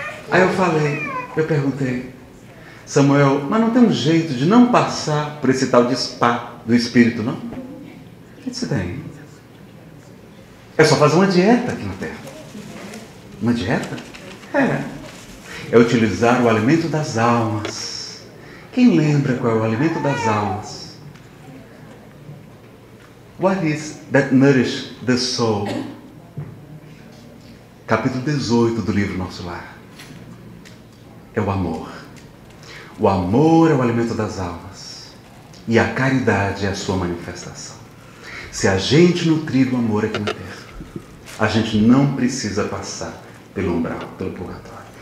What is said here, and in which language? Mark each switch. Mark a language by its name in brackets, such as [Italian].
[Portuguese] Aí eu perguntei: Samuel, mas não tem um jeito de não passar por esse tal de spa do espírito, não? O que se tem? É só fazer uma dieta aqui na Terra. Uma dieta? É. É utilizar o alimento das almas. Quem lembra qual é o alimento das almas? [English] What is that nourish the soul? [Portuguese] Capítulo 18 do livro Nosso Lar. É o amor. O amor é o alimento das almas. E a caridade é a sua manifestação. Se a gente nutrir o amor aqui na Terra, a gente não precisa passar pelo umbral, pelo purgatório.